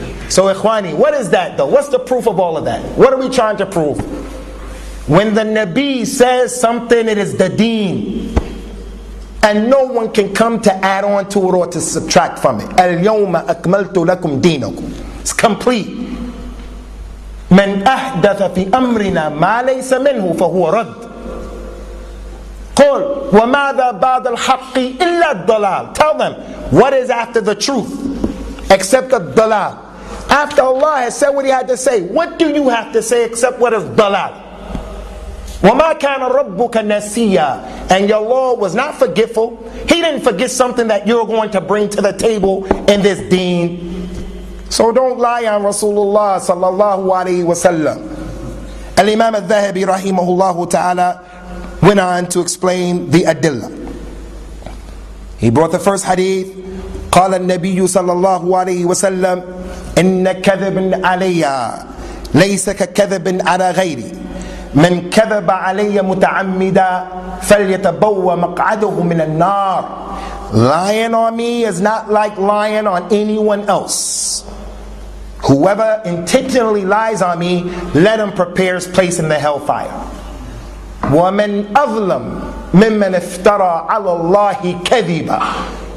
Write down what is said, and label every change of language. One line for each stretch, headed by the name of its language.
English: So Ikhwani, what is that though? What's the proof of all of that? What are we trying to prove? When the Nabi says something, it is the deen. And no one can come to add on to it or to subtract from it.
Arabic: Al-yawma akmaltu lakum deenakum.
English: It's complete.
Arabic: من أحدث في أمرنا ما ليس منه فهو رد. قل وماذا بعد الحق إلا الضلال.
English: Tell them, what is after the truth except the dalal? After Allah has said what He had to say, what do you have to say except what is dalal?
Arabic: وما كان ربك نسيا.
English: And your Lord was not forgetful. He didn't forget something that you're going to bring to the table in this deen. So don't lie on Rasulullah sallallahu alayhi wa sallam. Al-Imam al-Dhahabi rahimahullahu ta'ala went on to explain the adilla. He brought the first hadith.
Arabic: قال النبي sallallahu alayhi wa sallam إِنَّ كَذِبٍ عَلَيَّا لَيْسَ كَكَذِبٍ عَلَى غَيْرِ مَنْ كَذَبَ عَلَيَّ مُتَعَمِّدًا فَلْيَتَبَوَّ مَقْعَدُهُ مِنَ النَّارِ.
English: Lying on me is not like lying on anyone else. Whoever intentionally lies on me, let him prepare his place in the hellfire.
Arabic: وَمَنْ أَظْلَمْ مِمَّنْ افْتَرَى عَلَى اللَّهِ كَذِبًا.